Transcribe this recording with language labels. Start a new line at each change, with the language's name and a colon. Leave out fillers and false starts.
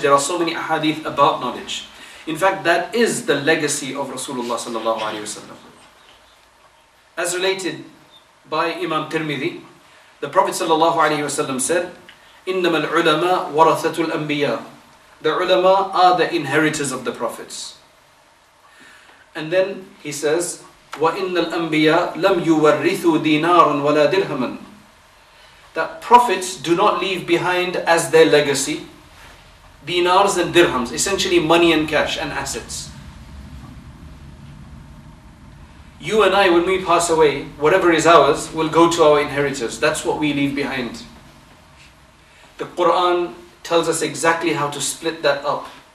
English: There are so many ahadith about knowledge. In fact, that is the legacy of Rasulullah sallallahu alaihi wasallam. As related by Imam Tirmidhi, the Prophet sallallahu alaihi wasallam said,
Arabic: إنما العلماء ورثة الأنبياء.
English: The ulama are the inheritors of the prophets. And then he says,
Arabic: وَإِنَّ الْأَنْبِيَاء لَمْ يُوَرِّثُوا دِينَارًا وَلَا دِرْهَمًا.
English: That prophets do not leave behind as their legacy dinars and dirhams, essentially money and cash and assets. You and I, when we pass away, whatever is ours will go to our inheritors. That's what we leave behind. The Quran tells us exactly how to split that up.